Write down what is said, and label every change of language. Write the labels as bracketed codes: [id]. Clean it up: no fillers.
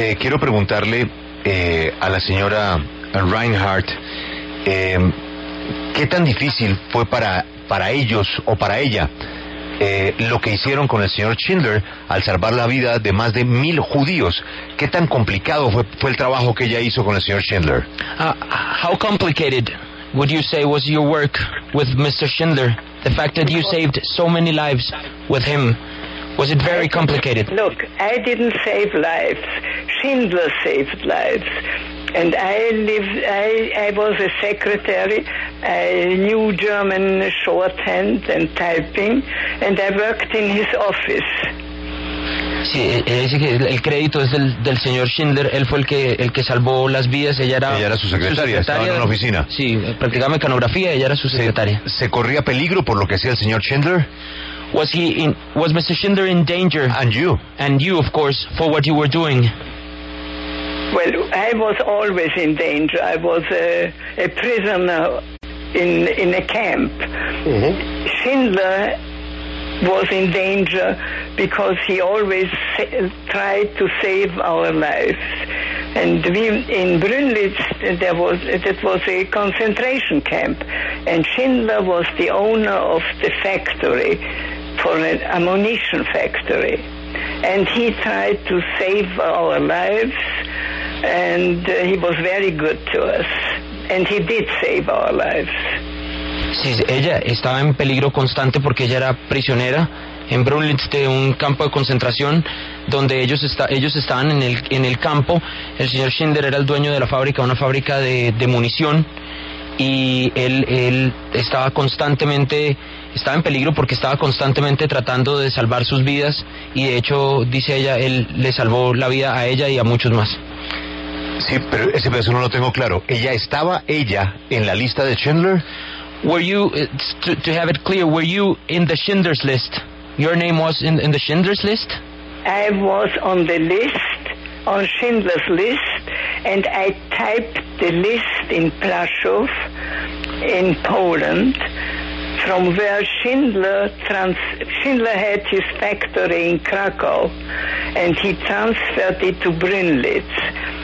[es] Quiero preguntarle a la señora Reinhardt, ¿qué tan difícil fue para ellos o para ella lo que hicieron con el señor Schindler al salvar la vida de más de 1,000 judíos? ¿Qué tan complicado fue el trabajo que ella hizo con el señor Schindler? [en] How complicated would you say was your work with Mr. Schindler? The fact that you saved so many lives with him, was it very complicated? Look, I didn't save lives. Schindler saved lives. And I was a secretary. I knew German shorthand and typing, and I worked in his office. [es] Sí, dice que el crédito es del señor Schindler. Él fue el que salvó las vidas. Ella era su secretaria, estaba en una oficina. Sí, practicaba mecanografía, ella era su secretaria. ¿Se corría peligro por lo que hacía el señor Schindler? [en] Was Mr. Schindler in danger? And you. And you, of course, for what you were doing. Well, I was always in danger. I was a prisoner in a camp. Mm-hmm. Schindler was in danger because he always tried to save our lives. And we in Brünnlitz, there was it was a concentration camp, and Schindler was the owner of the factory, for an ammunition factory, and he tried to save our lives, and he was very good to us, and he did save our lives. [es] Sí, ella estaba en peligro constante porque ella era prisionera en Brünnlitz, de un campo de concentración donde ellos estaban en el campo. El señor Schindler era el dueño de la fábrica, una fábrica de munición, y él estaba en peligro porque estaba constantemente tratando de salvar sus vidas, y de hecho, dice ella, él le salvó la vida a ella y a muchos más. Sí, pero ese pedazo no lo tengo claro. ¿Ella estaba en la lista de Schindler? [en] Were you, to have it clear, were you in the Schindler's list? Your name was in the Schindler's list? I was on the list, on Schindler's list, and I typed the list in Plaszów, in Poland, from where Schindler had his factory in Krakow, and he transferred it to Brünnlitz.